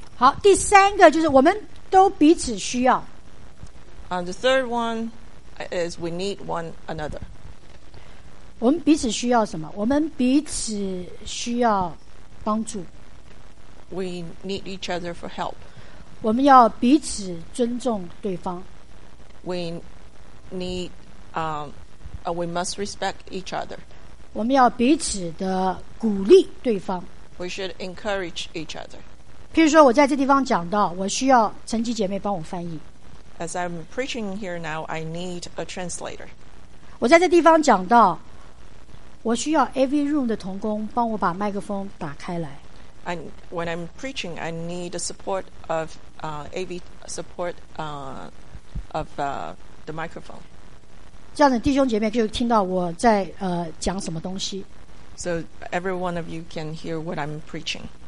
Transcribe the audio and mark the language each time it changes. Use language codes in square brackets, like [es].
[zh] 好，第三个就是我们都彼此需要。 [en] The third one is we need one another. [zh] 我们彼此需要什么？我们彼此需要帮助。 [en] We need each other for help. [zh] 我们要彼此尊重对方。 [en] We need, we must respect each other. [zh] 我们要彼此的鼓励对方。 [en] We should encourage each other. [zh] 譬如说我在这地方讲到，我需要陈吉姐妹帮我翻译。 [en] As I'm preaching here now, I need a translator. [zh] 我在这地方讲到，我需要 AV room 的同工帮我把麦克风打开来。 [en] And when I'm preaching, I need the support of AV support of the microphone. [zh] 这样的弟兄姐妹就听到我在讲什么东西。 [en] So every one of you can hear what I'm preaching.